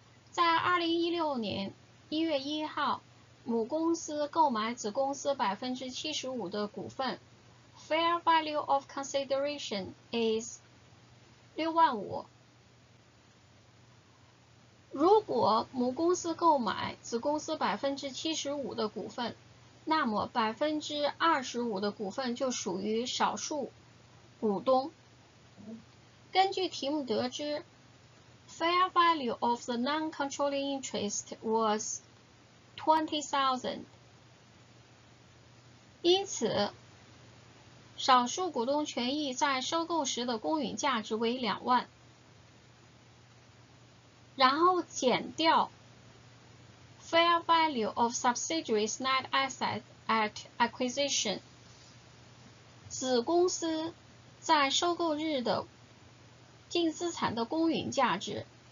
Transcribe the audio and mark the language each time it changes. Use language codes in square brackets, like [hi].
[zh] 在2016年1月1号，母公司购买子公司 75% 的股份， [en] Fair value of consideration is 65,000。 [zh] 如果母公司购买子公司 75% 的股份，那么 25% 的股份就属于少数股东。根据题目得知， [en] Fair value of the non-controlling interest was $20,000. [zh] 因此，少数股东权益在收购时的公允价值为20,000。然后减掉 [en] Fair value of subsidiaries net assets at acquisition， [zh] 子公司在收购日的净资产的公允价值。